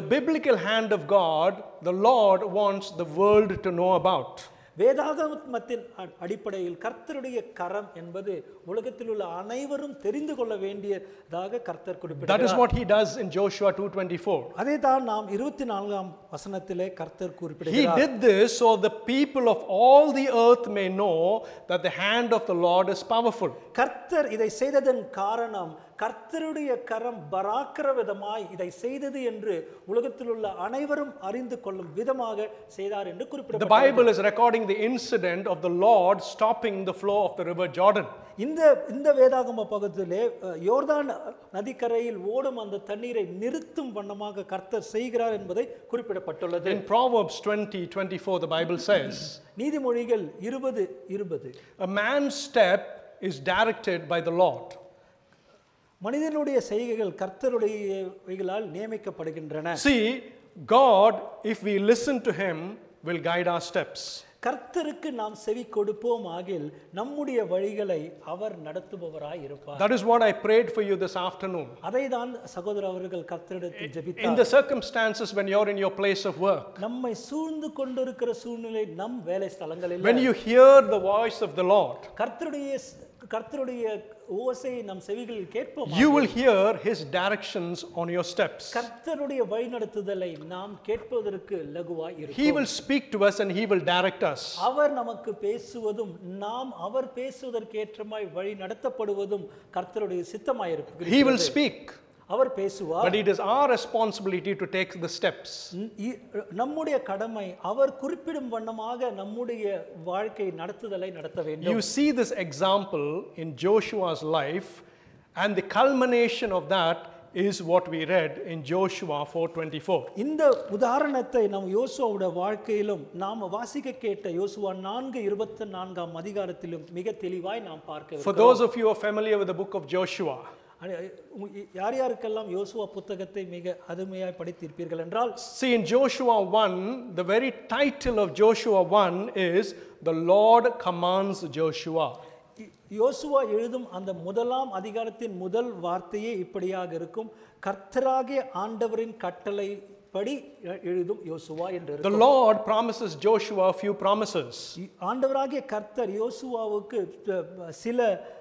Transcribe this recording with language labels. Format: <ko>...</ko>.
<en>The biblical hand of God, the Lord wants the world to know about.</en> <ta>வேதாகமத்தின் அடிப்படையில் கர்த்தருடைய கரம் என்பது உலகத்தில் உள்ள அனைவரும் தெரிந்து கொள்ள வேண்டியதாக கர்த்தர் குறிப்பிட்டார்.</ta> <en>That is what he does in Joshua 2:24.</en> <ta>அதே தான் நாம் 24 வசனத்திலே கர்த்தர் குறிப்பிடுகிறார்.</ta> <en>He did this so the people of all the earth may know that the hand of the Lord is powerful.</en> <ta>கர்த்தர் இதை செய்ததன் காரணம் கர்த்தருடைய கரம் பராக்கிற விதமாய் இதை செய்தது என்று உலகத்தில் உள்ள அனைவரும் அறிந்து கொள்ளும் விதமாக செய்தார் என்று குறிப்பிடப்பட்டது.</ta> <en>The Bible is recording the incident of the Lord stopping the flow of the river Jordan.</en> <ta>இந்த வேதாகம பகுதியிலே யோர்தான் நதிக்கரையில் ஓடும் அந்த தண்ணீரை நிறுத்தும் வண்ணமாக கர்த்தர் செய்கிறார் என்பதை குறிப்பிடப்பட்டுள்ளது.</ta> <en>In Proverbs 20:24 the Bible says,</en> <ta>நீதிமொழிகள் 20:20,</ta> <en>a man's step is directed by the Lord.</en> <ta>மனிதனுடைய செய்கைகள் கர்த்தருடையவைகளால் நியமிக்கப்படுகின்றன.</ta> <en>See, God, if we listen to him, will guide our steps.</en> <ta>கர்த்தருக்கு நாம் செவி கொடுப்போம் ஆகில் நம்முடைய வழிகளை அவர் நடத்துபவராய் இருப்பார்.</ta> <en>That is what I prayed for you this afternoon.</en> <ta>அதைதான் சகோதர அவர்கள் கர்த்தரிடத்தில் ஜெபித்தார்.</ta> <en>In the circumstances when you are in your place of work.</en> <ta>நம்மை சூழ்ந்து கொண்டிருக்கிற சூழ்நிலை நம் வேலை ஸ்தலங்களில்</ta> <en>when you hear the voice of the Lord.</en> <ta>கர்த்தருடைய ஓசையை நம் செவிகளில் கேட்போம்.</ta> <en>You will hear his directions on your steps.</en> <ta>கர்த்தருடைய வழிநடத்துதலை நாம் கேட்பதற்கு லகுவாய் இருக்கும்.</ta> <en>He will speak to us and he will direct us.</en> <ta>அவர் நமக்கு பேசுவதும் நாம் அவர் பேசுவதற்கேற்றமாய் வழிநடத்தப்படுவதும் கர்த்தருடைய சித்தமாய் இருக்கும்.</ta> <en>He will speak.</en> <ta>அவர் பேசுவார்.</ta> <en>But it is our responsibility to take the steps.</en> <ta>நம்முடைய கடமை அவர் குறிப்பிடும் வண்ணமாக நம்முடைய வாழ்க்கை நடத்துதலை நடத்த வேண்டும்.</ta> <en>You see this example in Joshua's life and the culmination of that is what we read in Joshua 4:24.</en> <ta>இந்த உதாரணத்தை நம் யோசுவாவுடைய வாழ்க்கையிலும் நாம் வாசிக்க கேட்ட யோசுவா 4:24 அதிகாரத்திலும் மிக தெளிவாய் நாம் பார்க்க இருக்கிறோம்.</ta> <en>For those of you who are familiar with the book of Joshua,</en> <ta>யார் யாருக்கெல்லாம் யோசுவா புத்தகத்தை மிக அருமையாக படித்திருப்பீர்கள் என்றால்,</ta> <en>See in Joshua 1, the very title of Joshua 1 is the Lord commands Joshua.</en> <ta>யோசுவா எழுதும் அந்த முதலாம் அதிகாரத்தின் முதல் வார்த்தையே இப்படியாக இருக்கும், கர்த்தராகிய ஆண்டவரின் கட்டளை படி எழுதும் யோசுவா என்று.</ta> <en>The Lord promises Joshua a few promises.</en> <ta>ஆண்டவராகிய கர்த்தர் யோசுவாவுக்கு சில</ta>